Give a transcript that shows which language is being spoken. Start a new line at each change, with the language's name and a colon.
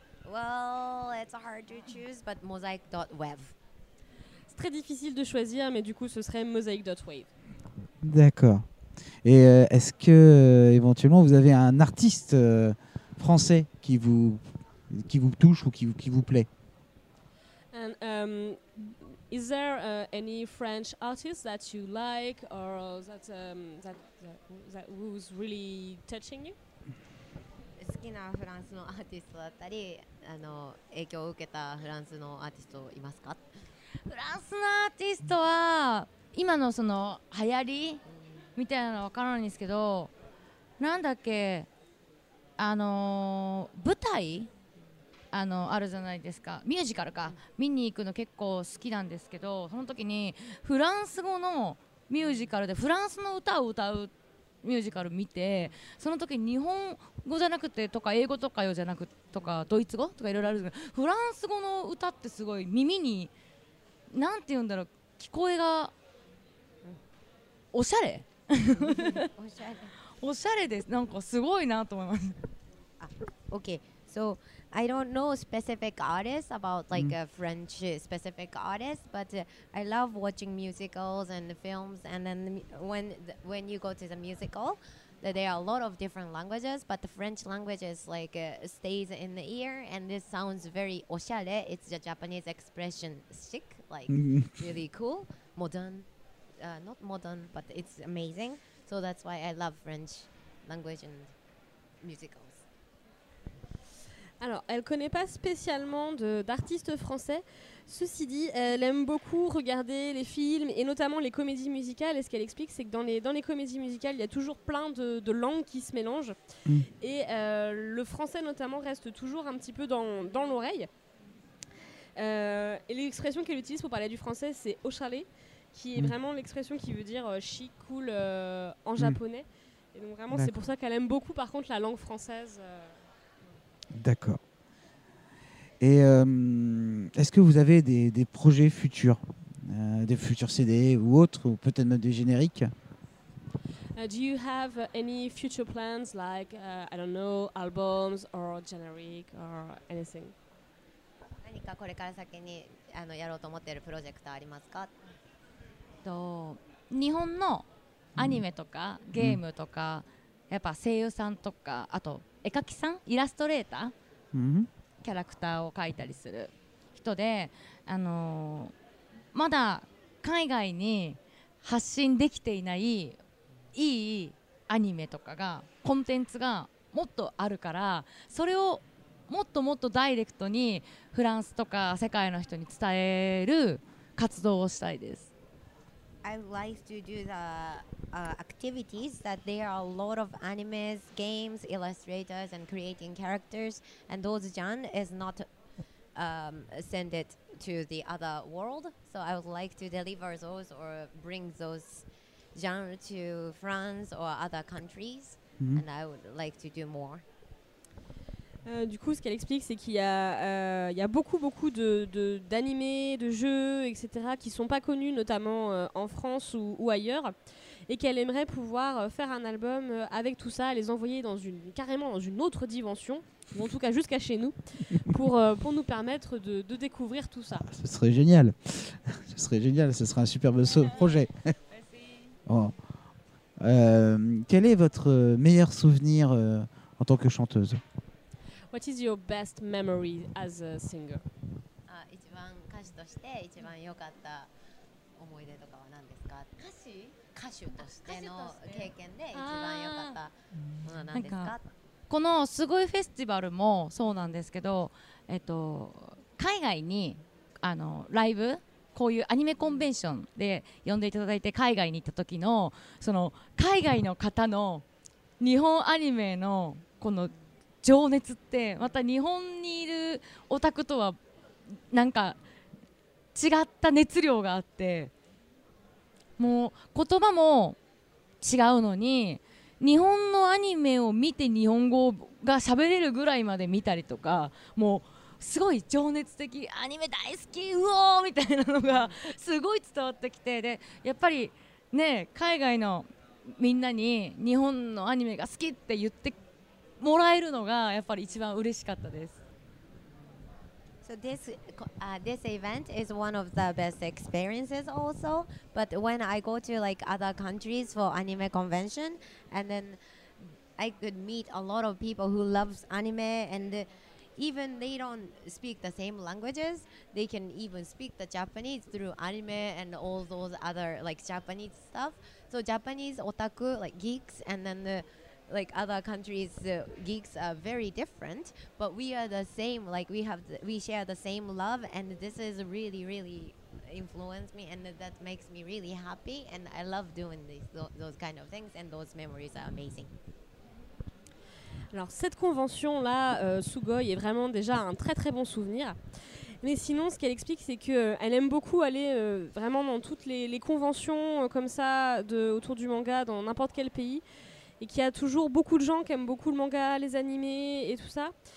English: Well, it's hard to choose, but Mosaic.web.
French: C'est très difficile de choisir, mais du coup, ce serait Mosaic.web. D'accord. Et est-ce que éventuellement vous avez un artiste français qui vous touche ou qui vous plaît?
English: And, is there any French artist that you like or that who's really touching you?
Japanese: 好きなフランスのアーティストだったり、影響を受けたフランスのアーティストいますか？フランスのアーティストは今のその流行り。みたいなのは分からないんですけど、なんだっけ、舞台あるじゃないですか、ミュージカルか、見に行くの結構好きなんですけど、その時にフランス語のミュージカルでフランスの歌を歌うミュージカル見て、その時日本語じゃなくてとか英語とかよじゃなくとかドイツ語とかいろいろあるんですけど、フランス語の歌ってすごい耳になんて言うんだろう、聞こえがおしゃれおしゃれおしゃれです。なんかすごいなと思います。あ、OK。
English: So I don't know specific artists about like a French specific artist, but I love watching musicals and films. And then when you go to the musical, there are a lot of different languages, but the French language is like stays in the ear, and this sounds very oshare. It's the Japanese expression chic, like really cool, modern, not modern, but it's amazing. So that's why I love French language and musicals.
French: Alors, elle connaît pas spécialement d'artistes français. Ceci dit, elle aime beaucoup regarder les films et notamment les comédies musicales. Et ce qu'elle explique, c'est que dans les comédies musicales, il y a toujours plein de langues qui se mélangent. Et le français, notamment, reste toujours un petit peu dans l'oreille. Et l'expression qu'elle utilise pour parler du français, c'est « au chalet », qui est vraiment l'expression qui veut dire « chic, cool » en japonais. Et donc vraiment, c'est pour ça qu'elle aime beaucoup, par contre, la langue française. D'accord. Et est-ce que vous avez des projets futurs, des futurs CD ou autres, ou peut-être même des génériques?
English: Do you have any future plans, like I don't know, albums or generic or anything?
Japanese: 何かこれから先にやろうと思っているプロジェクトありますか？日本のアニメとかゲームとか、やっぱ声優さんとか、あと絵描きさん、イラストレーター。キャラクターを描いたりする人で、まだ海外に発信できていないいいアニメとかがコンテンツがもっとあるから、それをもっともっとダイレクトにフランスとか世界の人に伝える活動をしたいです。
English: I would like to do the activities that there are a lot of animes, games, illustrators, and creating characters, and those genre is not send it to the other world. So I would like to deliver those or bring those genre to France or other countries, and I would like to do more.
French: Du coup, ce qu'elle explique, c'est qu'il y a, il y a beaucoup d'animés, de jeux, etc., qui ne sont pas connus, notamment en France ou ailleurs, et qu'elle aimerait pouvoir faire un album avec tout ça, les envoyer carrément dans une autre dimension, ou en tout cas jusqu'à chez nous, pour nous permettre de découvrir tout ça. Ce serait génial. Ce serait génial, ce serait un superbe projet. Merci. Oh. Quel est votre meilleur souvenir en tant que chanteuse?
English: What is your best memory as a singer?
Japanese: 一番歌手として一番良かった思い出とかは何ですか？歌手？歌手としての経験で一番良かったものは何ですか？なんかこのすごいフェスティバルもそうなんですけど、海外にライブ、こういうアニメコンベンションで呼んでいただいて海外に行った時の、その海外の方の日本アニメのこの情熱って、また日本にいるオタクとはなんか違った熱量があって、もう言葉も違うのに日本のアニメを見て日本語が喋れるぐらいまで見たりとか、もうすごい情熱的、アニメ大好き、うおーみたいなのがすごい伝わってきて、でやっぱりね、海外のみんなに日本のアニメが好きって言ってもらえるのがやっぱり一番嬉しかったです。
English: So this event is one of the best experiences also. But when I go to like other countries for anime convention, and then I could meet a lot of people who loves anime, and even they don't speak the same languages, they can even speak the Japanese through anime and all those other like Japanese stuff. So Japanese otaku, like geeks, and then theLike other countries, geeks are very different, but we are the same. Like we share the same love, and this is really, really influenced me, and that makes me really happy. And I love doing those kind of things, and those memories are amazing.
French: Alors cette convention là, Sugoi est vraiment déjà un très très bon souvenir. Mais sinon, ce qu'elle explique, c'est qu'elle aime beaucoup aller vraiment dans toutes les conventions comme ça autour du manga dans n'importe quel pays. Et qu'il y a toujours beaucoup de gens qui aiment beaucoup le manga, les animés et tout ça.